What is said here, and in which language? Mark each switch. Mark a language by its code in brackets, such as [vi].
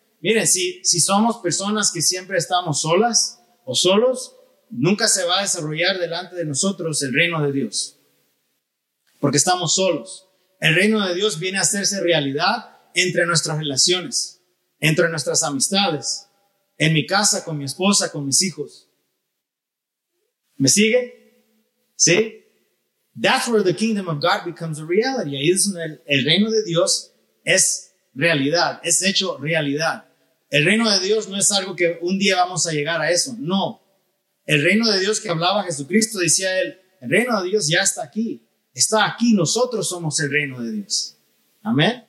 [es] Miren, si somos personas que siempre estamos solas o solos, nunca se va a desarrollar delante de nosotros el reino de Dios. Porque estamos solos. El reino de Dios viene a hacerse realidad entre nuestras relaciones, entre nuestras amistades, en mi casa, con mi esposa, con mis hijos. ¿Me sigue? ¿Sí? [en] That's where the kingdom of God becomes a reality. [es] Ahí es donde el reino de Dios es realidad, es hecho realidad. El reino de Dios no es algo que un día vamos a llegar a eso. No. El reino de Dios que hablaba Jesucristo, decía él, el reino de Dios ya está aquí. Está aquí, nosotros somos el reino de Dios. ¿Amén?